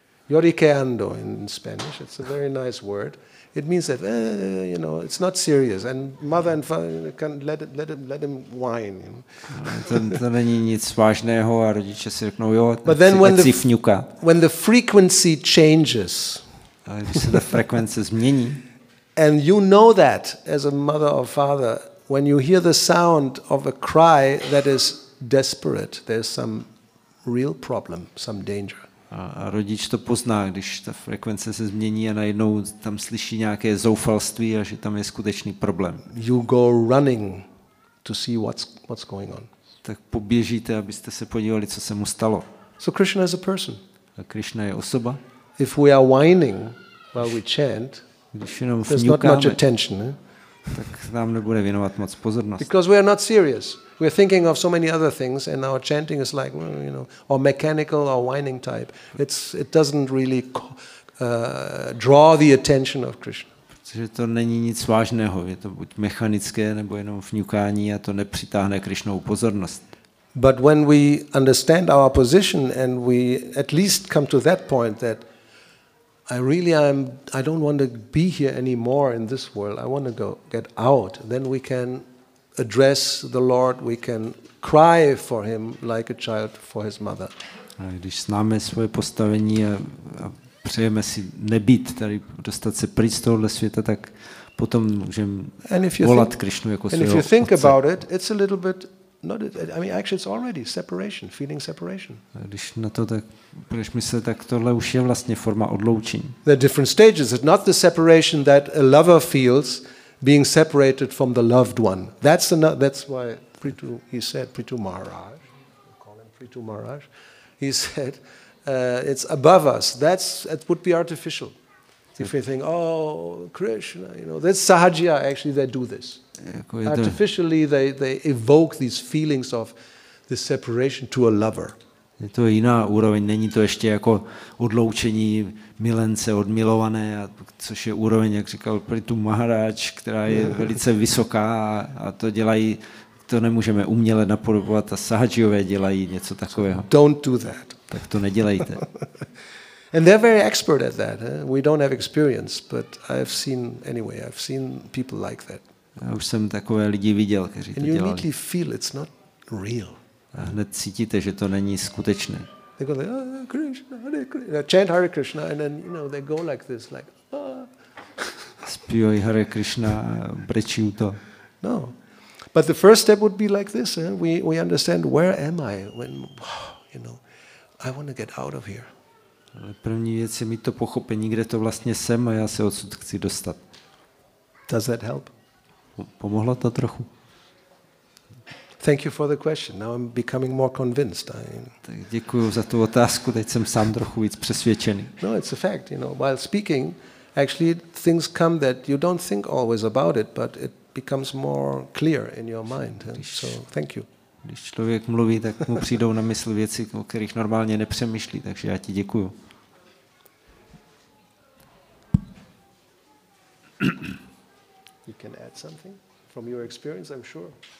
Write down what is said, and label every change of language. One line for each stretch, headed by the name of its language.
English: Lloriqueando in Spanish, it's a very nice word. It means that you know, it's not serious, and mother and father can let him whine. You know?
Czech: to není nic vážného a rodiče si řeknou jo, ať si fňuká.
English: When the frequency changes,
Czech: když se ta frekvence změní,
English: and you know that as a mother or father, when you hear the sound of a cry that is desperate, there's some real problem, some danger.
Czech: A rodič to pozná, když ta frekvence se změní a najednou tam slyší nějaké zoufalství a že tam je skutečný problém.
English: You go running to see what's going on.
Czech: Tak poběžíte, abyste se podívali, co se mu stalo.
English: So Krishna is a person.
Czech: A Krishna je osoba.
English: If we are whining while we chant,
Czech: když jenom fňukáme,
English: there's not much attention, ne?
Czech: Tak nám nebude věnovat moc pozornost.
English: Because we are not serious. We are thinking of so many other things and our chanting is like, you know, or mechanical or whining type. It doesn't really draw the attention of Krishna.
Czech: Protože to není nic vážného, je to buď mechanické nebo jenom fňukání a to nepřitáhne Krišnovu pozornost.
English: But when we understand our position and we at least come to that point that I don't want to be here anymore in this world. I want to go get out. Then we can address the Lord, we can cry for him like a child for his mother.
Czech: A když známe svoje postavení a přejeme si nebýt tady, dostat se pryč z tohohle světa, tak potom můžeme volat Krišnu jako svého otce.
English: And if you think about it, it's a little bit, it's already separation, feeling separation.
Czech: A když na to tak budeš myslet, tak tohle už je vlastně forma odloučení.
English: There are different stages. It's not the separation that a lover feels being separated from the loved one. That's why Prithu, he said, Prithu Maharaj, we call him Prithu Maharaj, he said, it's above us. That's it would be artificial. If we think, oh, Krishna, you know, that's sahajya, actually, they do this. Artificially, they evoke these feelings of the separation to a lover.
Czech: Je to jiná úroveň, není to ještě jako odloučení milence od milované, což je úroveň, jak říkal Pritu Maharaj, která je velice vysoká a to dělají, to nemůžeme uměle napodobovat a sahajiové dělají něco takového.
English: Don't do that.
Czech: Tak to nedělejte.
English: And they're very expert at that. Eh? We don't have experience, but I've seen people like that.
Czech: Já už jsem takové lidi viděl, kteří to dělali.
English: And you immediately feel it's not real.
Czech: A hned cítíte, že to není skutečné.
English: They go like, oh, Krishna, Hare Krishna. Chant Hare Krishna, and then, you know, they go like this, like, oh.
Czech: Spívají Hare Krishna, brečí u to.
English: No. But the first step would be like this. Eh? We understand, where am I? When, you know, I want to get out of here.
Czech: Ale první věc je mít to pochopení, kde to vlastně jsem a já se odsud chci dostat.
English: Does that help?
Czech: Pomohlo to trochu?
English: Thank you for the question. Now I'm becoming more convinced.
Czech: Tak děkuju za tu otázku, teď jsem sám trochu víc přesvědčený.
English: No, it's a fact, you know, while speaking, actually things come that you don't think always about it, but it becomes more clear in your mind. And so, thank you.
Czech: Když člověk mluví, tak mu přijdou na mysl věci, o kterých normálně nepřemýšlí, takže já ti děkuju.
English: You can add something from your experience, I'm sure.